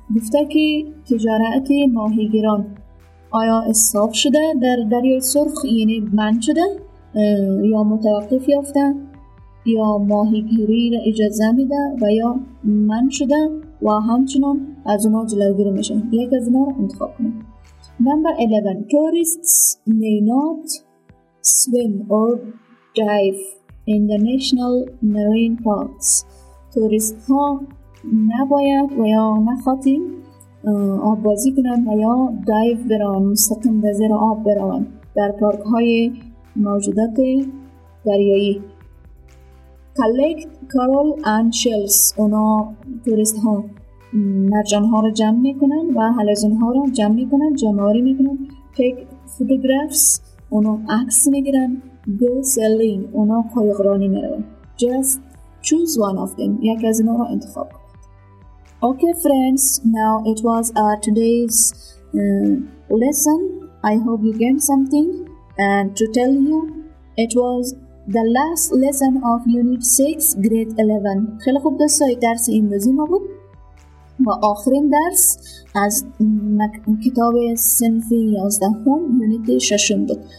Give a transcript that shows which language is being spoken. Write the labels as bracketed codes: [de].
[fa] گفته که تجارت ماهیگیران آیا استاب شده در دریای سرخ, یعنی بند شده یا متوقف یافته, یا ماهیگیری را اجازه میده و یا منع شده و همچنان از اونا جلوگیری میشه. یک از اونا را انتخاب کنیم. [en] Number 11. Tourists may not swim or dive in the national marine parks. [fa] تورست ها نباید و یا نخواهیم آب بازی کنند و یا دایو برن, مستقیم به زیر آب برن در پارک های موجودات دریایی. [en] Collect coral and shells. [fa] اونا توریست ها مرجان ها رو جمع میکنن و حلزون ها رو جمع میکنن، جمع‌آوری میکنن. [en] Take photographs. [fa] اونا عکس میگیرن. [en] Go sailing. [fa] اونا قایقرانی میرن. [en] Just choose one of them. [fa] یک از اینا رو انتخاب کن. [en] Okay, friends, now it was today's lesson. I hope you gained something. And to tell you, it was the last lesson of Unit 6, Grade 11. [fa] خیلی خوب دوستایی درس این روزی ما بود. و آخرین درس از کتاب سنفی 11 هم یونیت 6 هم بود.